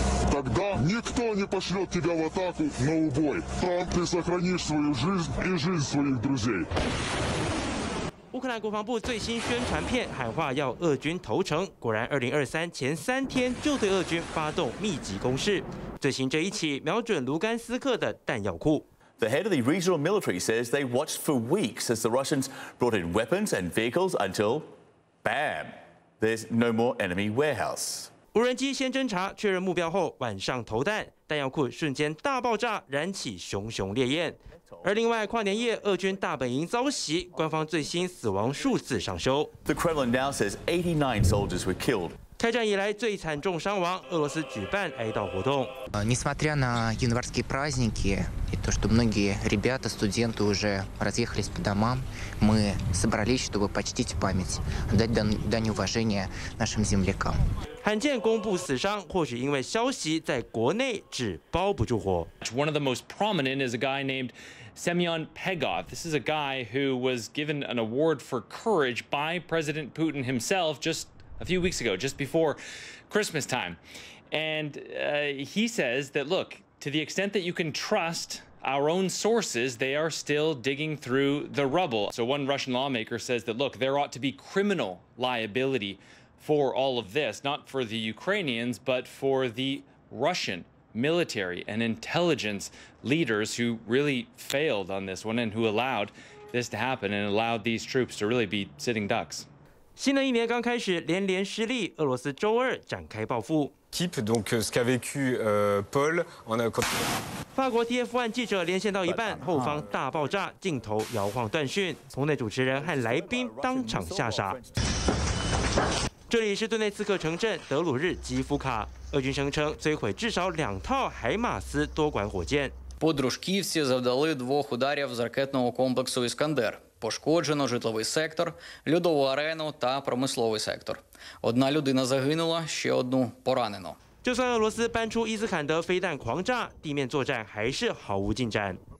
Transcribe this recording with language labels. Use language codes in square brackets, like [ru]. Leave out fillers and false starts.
[ru] Тогда никто не пошлет тебя в атаку на убой. Там ты сохранишь свою жизнь и жизнь своих друзей. [zh] 乌克兰国防部最新宣传片喊话要俄军投诚，果然2023前三天就对俄军发动密集攻势。最新这一起瞄准卢甘斯克的弹药库。 [en] The head of the regional military says they watched for weeks as the Russians brought in weapons and vehicles until, bam, there's no more enemy warehouse. [zh] 无人机先侦察确认目标后，晚上投弹，弹药库瞬间大爆炸，燃起熊熊烈焰。而另外，跨年夜俄军大本营遭袭，官方最新死亡数字上修。 [en] The Kremlin now says 89 soldiers were killed. [zh] 开战以来最惨重伤亡，俄罗斯举办哀悼活动。 [ru] Несмотря на январские праздники и то, что многие ребята, студенты уже разъехались по домам, мы собрались, чтобы почтить память, дать дань уважения нашим землякам. [zh] 罕见公布死伤，或许因为消息在国内纸包不住火。 [en] One of the most prominent is a guy named Semyon Pegov. This is a guy who was given an award for courage by President Putin himself just a few weeks ago, just before Christmas time. And he says that, look, to the extent that you can trust our own sources, they are still digging through the rubble. So one Russian lawmaker says that, look, there ought to be criminal liability. For all of this, not for the Ukrainians, but for the Russian military and intelligence leaders who really failed on this one and who allowed this to happen and allowed these troops to really be sitting ducks. [zh] 新的一年刚开始，连连失利，俄罗斯周二展开报复。 Type donc ce qu'a vécu Paul en a. 法国 TF1 记者连线到一半，后方大爆炸，镜头摇晃断讯，棚内主持人和来宾当场吓傻。这里是顿内茨克城镇德鲁日基夫卡，俄军声称摧毁至少两套海马斯多管火箭。 [uk] Подружки все завдали двох ударів з ракетного комплексу «Іскандер». Пошкоджено житловий сектор, льодову арену та промисловий сектор. Одна людина загинула, ще одну поранено. [zh] 就算俄罗斯搬出伊斯坎德飞弹狂炸，地面作战还是毫无进展。